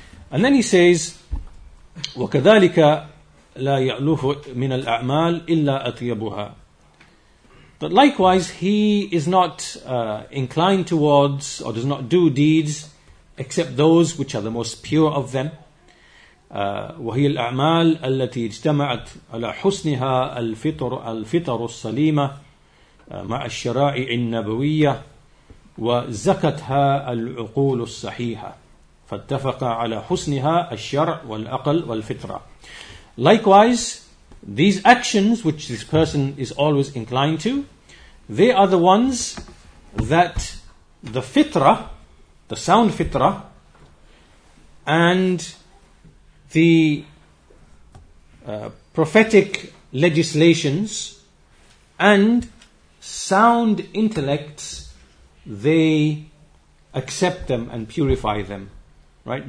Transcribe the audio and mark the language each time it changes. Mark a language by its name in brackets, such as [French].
[English] And then he says, [Arabic] وَكَذَلِكَ لَا يَعْلُفُ مِنَ الْأَعْمَالِ إِلَّا أَطْيَبُهَا. [English] But likewise, he is not inclined towards or does not do deeds except those which are the most pure of them. [Arabic] وهي الأعمال التي اجتمعت على حسنها الفطر السليمة مع الشرائع النبوية وزكتها العقول الصحيحة فاتفق على حسنها الشرع والأقل والفطرة. [English] Likewise, these actions which this person is always inclined to, They are the ones that the fitrah, the sound fitrah, and the prophetic legislations and sound intellects, they accept them and purify them, right?